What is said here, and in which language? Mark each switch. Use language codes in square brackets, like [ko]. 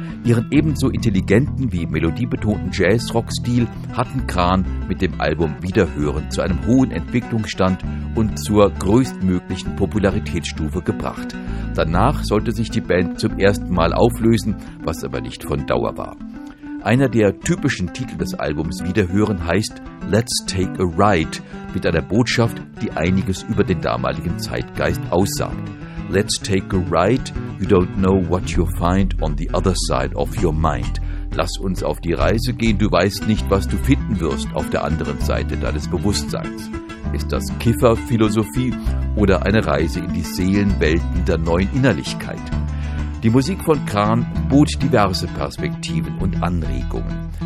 [de] Ihren ebenso intelligenten wie melodiebetonten Jazz-Rock-Stil hatten Kran mit dem Album Wiederhören zu einem hohen Entwicklungsstand und zur größtmöglichen Popularitätsstufe gebracht. Danach sollte sich die Band zum ersten Mal auflösen, was aber nicht von Dauer war. Einer der typischen Titel des Albums Wiederhören heißt Let's Take a Ride, mit einer Botschaft, die einiges über den damaligen Zeitgeist aussagt. [en] Let's take a ride, you don't know what you find on the other side of your mind. [de] Lass uns auf die Reise gehen, du weißt nicht, was du finden wirst auf der anderen Seite deines Bewusstseins. Ist das Kifferphilosophie oder eine Reise in die Seelenwelten der neuen Innerlichkeit? Die Musik von Kran bot diverse Perspektiven und Anregungen.